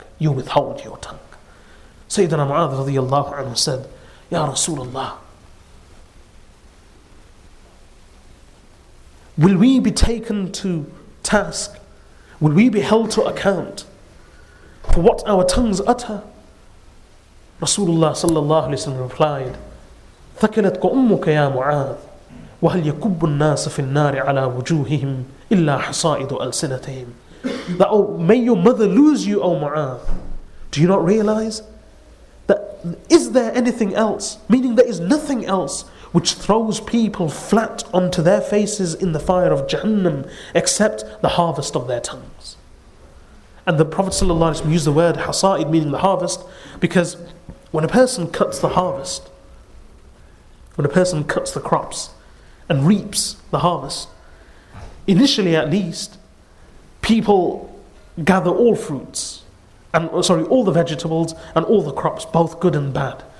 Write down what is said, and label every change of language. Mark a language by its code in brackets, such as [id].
[en] You withhold your tongue. Sayyidina Mu'adh radiyallahu anhu said, Ya Rasulullah, will we be taken to task? Will we be held to account for what our tongues utter? Rasulullah sallallahu alayhi wa sallam replied, [ar] ثَكَلَتْكَ أُمُّكَ يَا مُعَاذِ وَهَلْ يَكُبُّ النَّاسَ فِي النَّارِ عَلَىٰ وُجُوهِهِمْ إِلَّا حَصَائِدُ أَلْسِنَتَهِمْ. [en] That, oh, may your mother lose you, O Mu'adh. Do you not realize that is there anything else, meaning there is nothing else, which throws people flat onto their faces in the fire of Jahannam except the harvest of their tongues? And the Prophet sallallahu alaihi wasallam used the word hasa'id, meaning the harvest, because when a person cuts the harvest, when a person cuts the crops and reaps the harvest, initially at least, people gather all fruits, all the vegetables and all the crops, both good and bad.